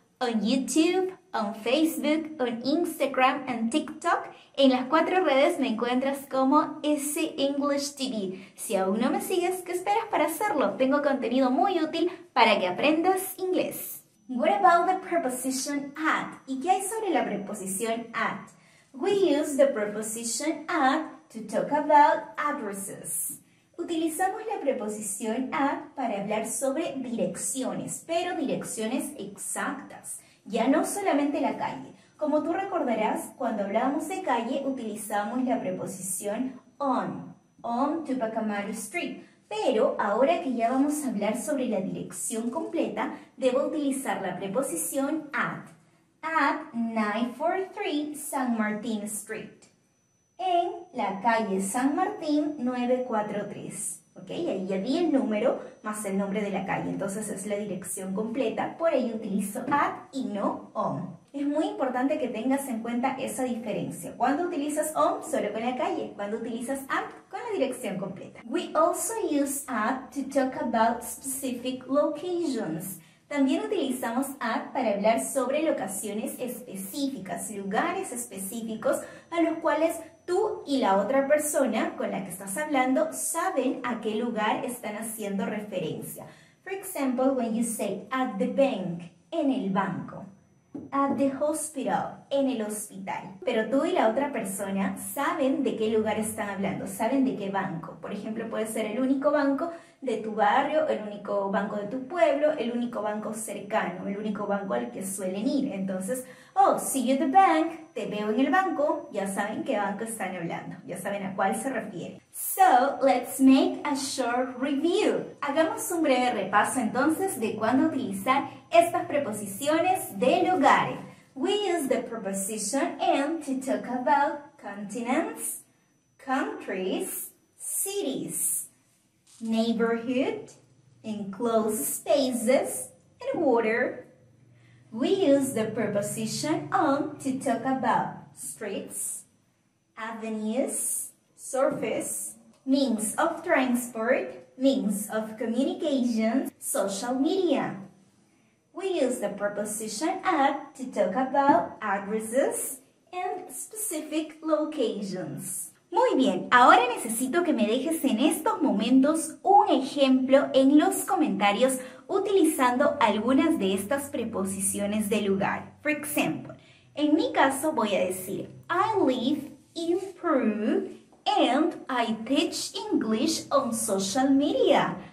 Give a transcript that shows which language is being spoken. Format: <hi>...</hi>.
<en>On YouTube, on Facebook, on Instagram and TikTok.</en> <es>En las cuatro redes me encuentras como ese English TV. Si aún no me sigues, ¿qué esperas para hacerlo? Tengo contenido muy útil para que aprendas inglés.</es> <en>What about the preposition at?</en> <es>¿Y qué hay sobre la preposición at?</es> <en>We use the preposition at to talk about addresses.</en> <es>Utilizamos la preposición at para hablar sobre direcciones, pero direcciones exactas, ya no solamente la calle. Como tú recordarás, cuando hablábamos de calle, utilizamos la preposición on Tupacamaru Street. Pero ahora que ya vamos a hablar sobre la dirección completa, debo utilizar la preposición at 943 San Martín Street. En la calle San Martín 943, ¿ok? Ahí ya di el número más el nombre de la calle, entonces es la dirección completa, por ahí utilizo at y no on. Es muy importante que tengas en cuenta esa diferencia. ¿Cuándo utilizas on? Solo con la calle. ¿Cuándo utilizas at? Con la dirección completa.</es> <en>We also use at to talk about specific locations.</en> <es>También utilizamos at para hablar sobre locaciones específicas, lugares específicos a los cuales tú y la otra persona con la que estás hablando saben a qué lugar están haciendo referencia.</es> <en>For example, when you say at the bank,</en> <es>en el banco.</es> <en>At the hospital,</en> <es>en el hospital. Pero tú y la otra persona saben de qué lugar están hablando, saben de qué banco. Por ejemplo, puede ser el único banco de tu barrio, el único banco de tu pueblo, el único banco cercano, el único banco al que suelen ir. Entonces,</es> <en>oh, see you at the bank,</en> <es>te veo en el banco, ya saben qué banco están hablando, ya saben a cuál se refiere.</es> <en>So, let's make a short review.</en> <es>Hagamos un breve repaso entonces de cuándo utilizar estas preposiciones de lugar.</es> <en>We use the preposition and to talk about continents, countries, cities, neighborhood, enclosed spaces, and water. We use the preposition on to talk about streets, avenues, surface, means of transport, means of communication, social media. We use the preposition at to talk about addresses and specific locations.</en> <es>Muy bien, ahora necesito que me dejes en estos momentos un ejemplo en los comentarios utilizando algunas de estas preposiciones de lugar.</es> <en>For example,</en> <es>en mi caso voy a decir</es> <en>I live in Peru and I teach English on social media.</en>